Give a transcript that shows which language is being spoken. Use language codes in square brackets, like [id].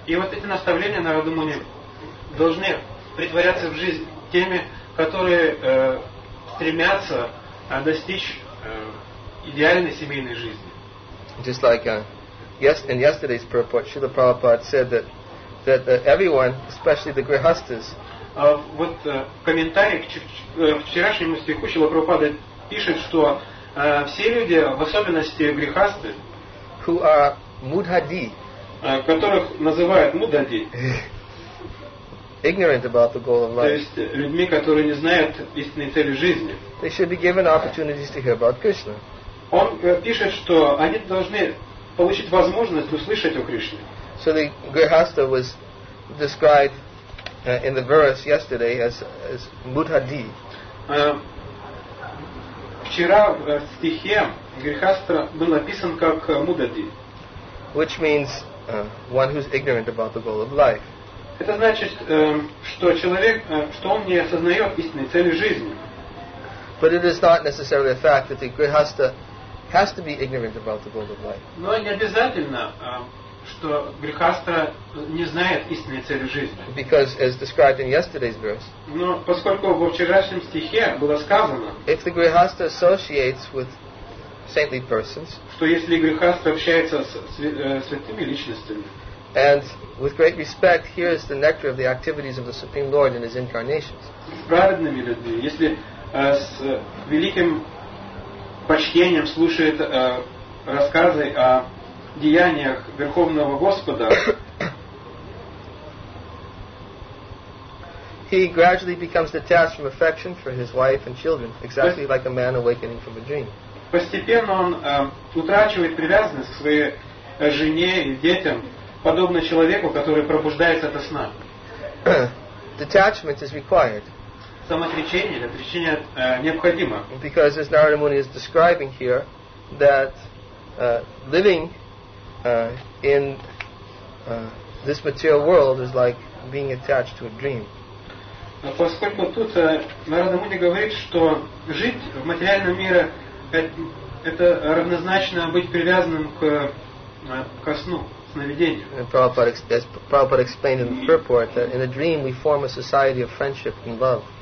[ru] И вот эти наставления Нарада Муни должны притворяться в жизнь теми, которые стремятся достичь идеальной семейной жизни. [en] Just like in yesterday's purport, Srila Prabhupada said that everyone, especially the grihasthas, [ru] вот в комментариях к вчерашнему стиху Шрила Прабхупада пишет, что все люди, в особенности грихасты, [en] who are mudhadi, [ru] которых называют mudhadi, [en] ignorant about the goal of life. [ru] То есть людьми, которые не знают истинной цели жизни. [en] They should be given opportunities to hear about Krishna. [ru] Он пишет, что они должны получить возможность услышать о Кришне. [en] So the grihastha was described in the verse yesterday as mudhadi. [ru] Вчера в стихе грихастха был написан как mudhadi. [en] Which means one who's ignorant about the goal of life. [ru] Это значит, что человек, что он не осознает истинной цели жизни. [en] But it is not necessarily a fact that the grihastha has to be ignorant about the goal of life. [ru] Но не обязательно, что грихастха не знает истинной цели жизни. [en] Because as described in yesterday's verse. [ru] Но поскольку во вчерашнем стихе было сказано. [en] If the grihastha associates with saintly persons. [ru] Что если грихастха общается с святыми личностями. [en] And with great respect, here is the nectar of the activities of the Supreme Lord in his incarnations. [ru] С праведными людьми, если с великим почтением слушает рассказы о деяниях Верховного Господа, [en] he gradually becomes detached from affection for his wife and children, exactly like a man awakening from a dream. [ru] Постепенно он утрачивает привязанность к своей жене и детям, подобно человеку, который пробуждается ото сна. [en] Detachment is required. [ru] Самоотречение, отречение необходимо. [en] Because as Narada Muni is describing here, that living in this material world is like being attached to a dream. [ru] Поскольку тут Нарада Муни говорит, что жить в материальном мире это равнозначно быть привязанным ко сну. [en] And Prabhupada explained in the purport that in a dream we form a society of friendship and love.